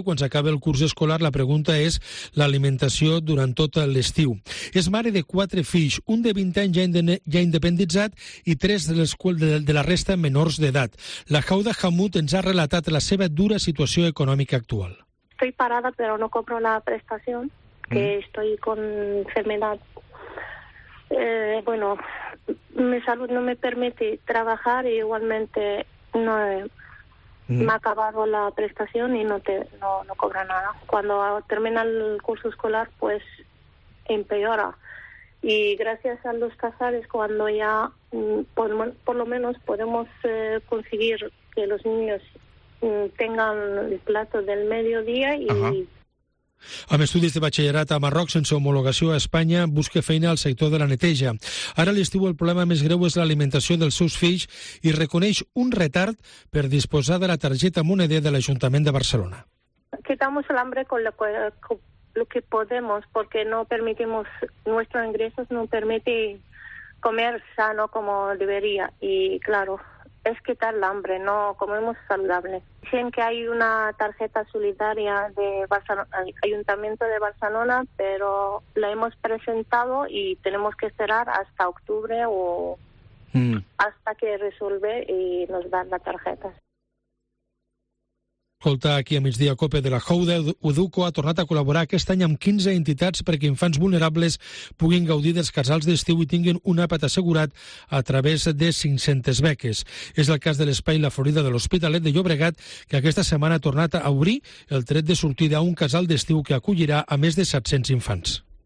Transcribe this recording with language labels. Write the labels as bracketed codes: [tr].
[ca] Quan s'acaba el curs escolar, la pregunta és l'alimentació durant tot l'estiu. És mare de 4 fills, un de 20 anys ja independitzat i 3 de la resta menors d'edat. La Hauda Hamut ens ha relatat la seva dura situació econòmica actual. [es] Estoy parada, pero no compro la prestación, que estoy con enfermedad. Bueno, mi salud no me permite trabajar y igualmente no me ha acabado la prestación y no cobra nada. Cuando termina el curso escolar, pues empeora. Y gracias a los casares, cuando ya por lo menos podemos conseguir que los niños tengan el plato del mediodía y... Ajá. [ca] Amb estudis de batxillerat a Marroc, sense homologació a Espanya, busca feina al sector de la neteja. Ara a l'estiu el problema més greu és l'alimentació dels seus fills i reconeix un retard per disposar de la targeta moneder de l'Ajuntament de Barcelona. [es] Quitamos el hambre con lo que podemos, porque no permitimos, nuestros ingresos no permite comer sano como debería. Y claro, es quitar el hambre, no comemos saludable. Dicen que hay una tarjeta solidaria de Ayuntamiento de Barcelona, pero la hemos presentado y tenemos que esperar hasta octubre o hasta que resuelve y nos dan la tarjeta. [ca] Escolta, aquí a migdia COPE de la Houda, Uduco ha tornat a col·laborar aquest any amb 15 entitats perquè infants vulnerables puguin gaudir dels casals d'estiu i tinguin un àpat assegurat a través de 500 beques. És el cas de l'Espai La Florida de l'Hospitalet de Llobregat, que aquesta setmana ha tornat a obrir el tret de sortida a un casal d'estiu que acollirà a més de 700 infants.